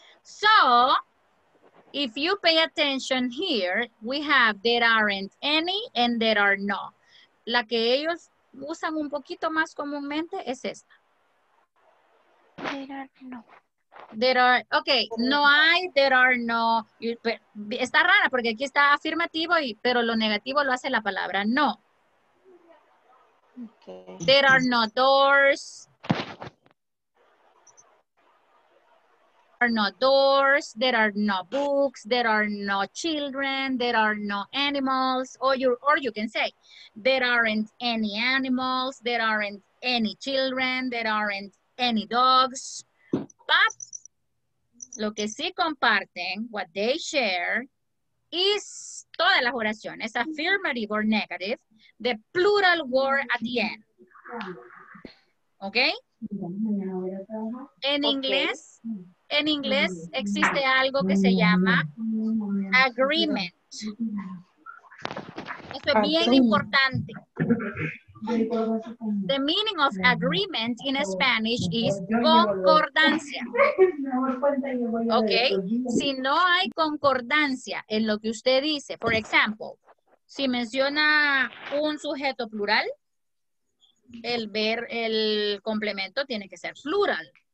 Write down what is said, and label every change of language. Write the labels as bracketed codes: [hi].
[en] So, if you pay attention here, we have there aren't any and there are no. [es] La que ellos usan un poquito más comúnmente es esta. [en] There are no. There are, okay, [es] no hay, [en] there are no. [es] Está rara porque aquí está afirmativo, y, pero lo negativo lo hace la palabra no. [en] Okay. There are no doors. There are no doors, there are no books, there are no children, there are no animals, or you can say, there aren't any animals, there aren't any children, there aren't any dogs. But, [es] lo que sí comparten, [en] what they share, is [es] todas las oraciones, [en] affirmative or negative, the plural word at the end. Okay? [es] En inglés existe algo que se llama agreement. Esto es bien importante. [en] The meaning of agreement in Spanish is concordancia. Okay? [es] Si no hay concordancia en lo que usted dice, for example, si menciona un sujeto plural, el complemento tiene que ser plural.